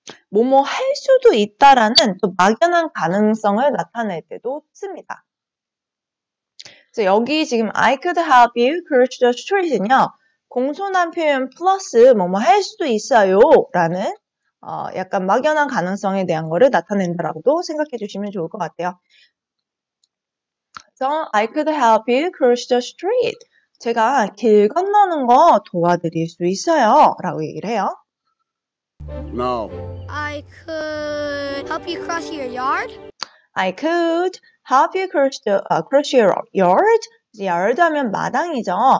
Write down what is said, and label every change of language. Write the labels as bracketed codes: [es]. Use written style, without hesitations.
[ko] 뭐뭐 할 수도 있다라는 또 막연한 가능성을 나타낼 때도 씁니다. 그래서 여기 지금 [en] I could help you cross the street [ko] 는요. 공손한 표현 플러스 뭐뭐 할 수도 있어요라는 약간 막연한 가능성에 대한 거를 나타낸다라고도 생각해 주시면 좋을 것 같아요. [en] So, I could help you cross the street. [ko] 제가 길 건너는 거 도와드릴 수 있어요. 라고 얘기를 해요. [en] No. I could help you cross your yard. I could help you cross your yard. [ko] yard 하면 마당이죠.